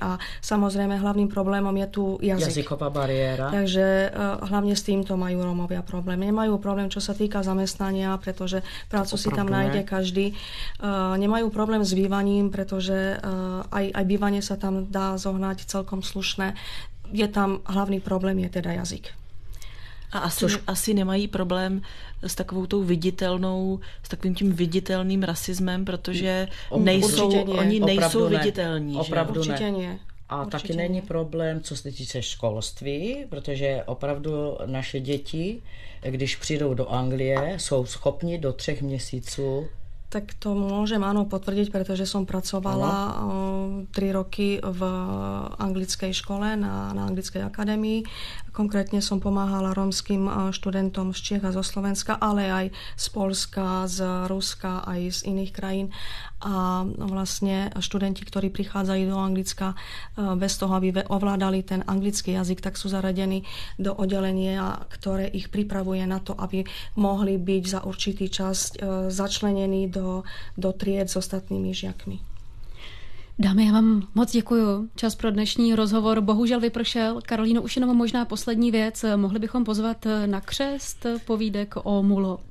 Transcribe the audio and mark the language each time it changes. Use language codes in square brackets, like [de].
[sk] A samozrejme, hlavným problémom je tu jazyk. Jazyková bariéra. Takže hlavne s týmto majú Rómovia problém. Nemajú problém, čo sa týka zamestnania, pretože prácu si tam nájde každý. Nemajú problém s bývaním, pretože aj bývanie sa tam dá zohnať celkom slušné. Je tam hlavný problém, je teda jazyk. [cs] A asi nemají problém s takovou tou viditelnou, s takovým tím viditelným rasismem, protože nejsou viditelní. Opravdu že? Určitě ne. A určitě taky není problém, co se týče školství, protože opravdu naše děti, když přijdou do Anglie, jsou schopni do 3 měsíců. [sk] Tak to môžem áno potvrdiť, pretože som pracovala 3 roky v anglickej škole na anglickej akadémii. Konkrétne som pomáhala romským študentom z Čech a zo Slovenska, ale aj z Polska, z Ruska, aj z iných krajín. A vlastne študenti, ktorí prichádzajú do Anglicka bez toho, aby ovládali ten anglický jazyk, tak sú zaradení do oddelenia, ktoré ich pripravuje na to, aby mohli byť za určitý čas začlenení do tried s ostatnými žiakmi. [cs] Dámy, já vám moc děkuju. Čas pro dnešní rozhovor bohužel vypršel. Karolíno, už jenom možná poslední věc. Mohli bychom pozvat na křest povídek o Mulo.